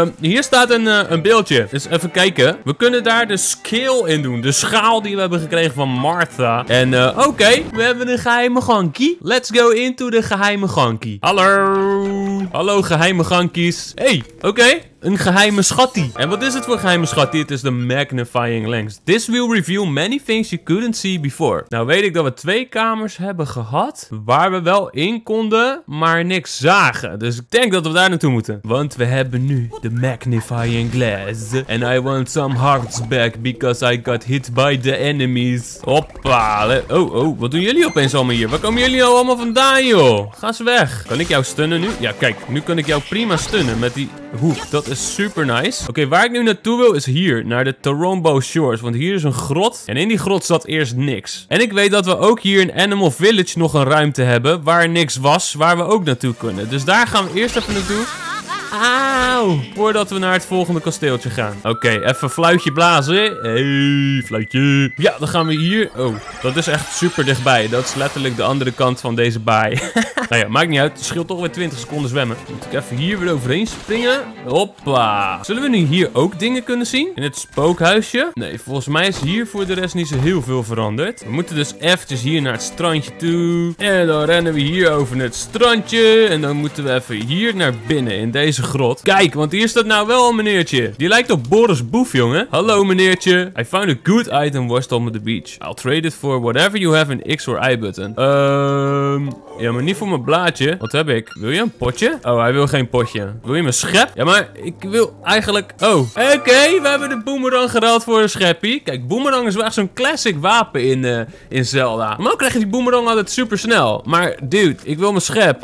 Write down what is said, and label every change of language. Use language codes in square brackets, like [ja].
[nl] Hier staat een beeldje. Dus even kijken. We kunnen daar de scale in doen. De schaal die we hebben gekregen van Martha. En oké, we hebben een geheime gankie. [en] Let's go into [nl] de geheime gankie. Hallo. Hallo geheime gankies. Hey, oké. Een geheime schattie. En wat is het voor geheime schattie? Het is de magnifying lens. [en] This will reveal many things you couldn't see before. [nl] Nou weet ik dat we twee kamers hebben gehad. Waar we wel in konden, maar niks zagen. Dus ik denk dat we daar naartoe moeten. Want we hebben nu de magnifying glass. [en] And I want some hearts back because I got hit by the enemies. [nl] Hoppa. Oh, oh. Wat doen jullie opeens allemaal hier? Waar komen jullie nou allemaal vandaan, joh? Ga ze weg. Kan ik jou stunnen nu? Ja, kijk. Nu kan ik jou prima stunnen met die hoek. Dat is super nice. Oké, waar ik nu naartoe wil is hier. Naar de Torombo Shores. Want hier is een grot. En in die grot zat eerst niks. En ik weet dat we ook hier in Animal Village nog een ruimte hebben. Waar niks was. Waar we ook naartoe kunnen. Dus daar gaan we eerst even naartoe. Auw. Voordat we naar het volgende kasteeltje gaan. Oké, even fluitje blazen. Hey, fluitje. Ja, dan gaan we hier. Oh, dat is echt super dichtbij. Dat is letterlijk de andere kant van deze baai. Nou ja, maakt niet uit. Het scheelt toch weer 20 seconden zwemmen. Moet ik even hier weer overheen springen. Hoppa. Zullen we nu hier ook dingen kunnen zien? In het spookhuisje? Nee, volgens mij is hier voor de rest niet zo heel veel veranderd. We moeten dus eventjes hier naar het strandje toe. En dan rennen we hier over het strandje. En dan moeten we even hier naar binnen in deze grot. Kijk, want hier staat nou wel een meneertje. Die lijkt op Boris Boef, jongen. Hallo meneertje. [en] I found a good item worstel on the beach. I'll trade it for whatever you have an X or Y button. [nl] Ja, maar niet voor mijn blaadje. Wat heb ik? Wil je een potje? Oh, hij wil geen potje. Wil je mijn schep? Ja, maar ik wil eigenlijk... Oh. Oké, we hebben de boomerang geruild voor een scheppie. Kijk, boomerang is wel echt zo'n classic wapen in Zelda. Normaal krijg je die boomerang altijd super snel. Maar, dude, ik wil mijn schep.